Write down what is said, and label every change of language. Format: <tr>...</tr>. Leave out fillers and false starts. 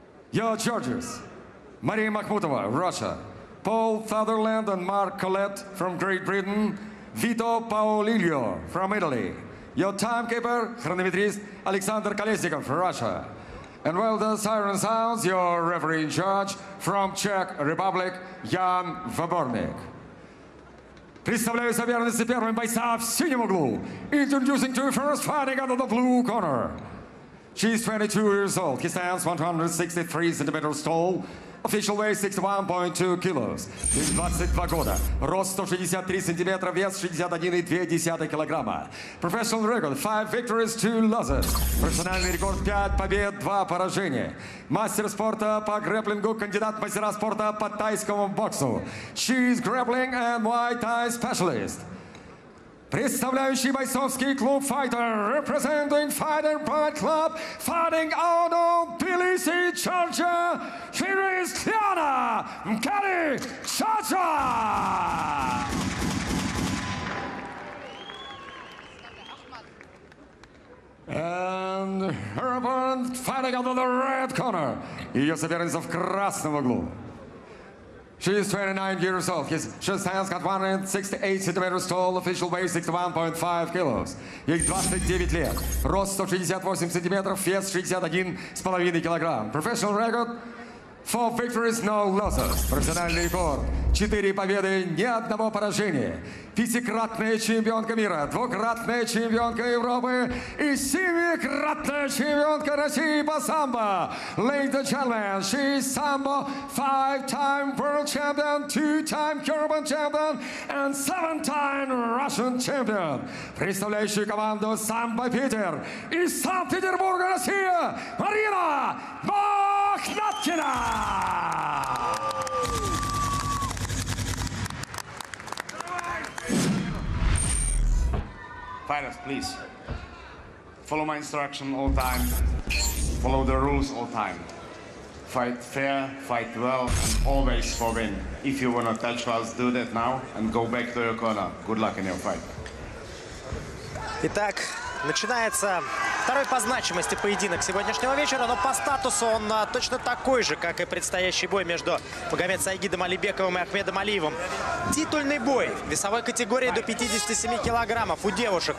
<en>Your judges, Maria Makhmutova, Russia. Paul Sutherland and Mark Collette from Great Britain. Vito Paolillo from Italy. Your timekeeper, chronometrist, Alexander Kolesnikov, Russia. And while the siren sounds, your referee in charge from Czech Republic, Jan Vobornik.</en> <ru>Представляю соперницы первым бойца в синем углу.</ru> <en>Introducing to you first fighting out of the blue corner. She's 22 years old. He stands 163 centimeters tall. Official weight 61.2 kilos.</en> <ru>22 года. Рост 163 сантиметра, вес 61,2 килограмма.</ru> <en>Professional record 5 victories, 2 losses.</en> <ru>Профессиональный рекорд 5 побед, 2 поражения. Мастер спорта по грэпплингу, кандидат мастера спорта по тайскому боксу.</ru> <en>She is grappling and Muay Thai specialist.</en> <ru>Представляющий бойцовский клуб Fighter,</ru> <en>representing Fighter Pride Club, fighting out of Tbilisi, Georgia, here is Tiana Mkeri Chacha! And her opponent fighting out of the red corner.</en> <ru>Ее соперница в красном углу.</ru> <en>She is 29 years old. His shoe stands got 168 centimeters tall, official weight 61.5 kilos.</en> <ru>Ей 29 лет. Рост 168 сантиметров, вес 61,5 килограмм.</ru> <en>Professional record 4 victories, no losses.</en> <ru>Профессиональный рекорд 4 победы, ни одного поражения. Пятикратная чемпионка мира, двукратная чемпионка Европы и семикратная чемпионка России по самбо.</ru> <en>Ladies and gentlemen, she is samba, 5-time world champion, 2-time European champion and 7-time Russian champion.</en> <ru>Представляющий команду самбо Питер из Санкт-Петербурга, Россия, Марина Махнаткина!</ru> <en>Fighters, please, follow my instruction all time, follow the rules all time. Fight fair, fight well, and always for win. If you want to touch us, do that now and go back to your corner. Good luck in your fight.</en> <ru>Итак, начинается второй по значимости поединок сегодняшнего вечера, но по статусу он точно такой же, как и предстоящий бой между Магомед Сайгидом Алибековым и Ахмедом Алиевым. Титульный бой весовой категории до 57 килограммов у девушек.</ru>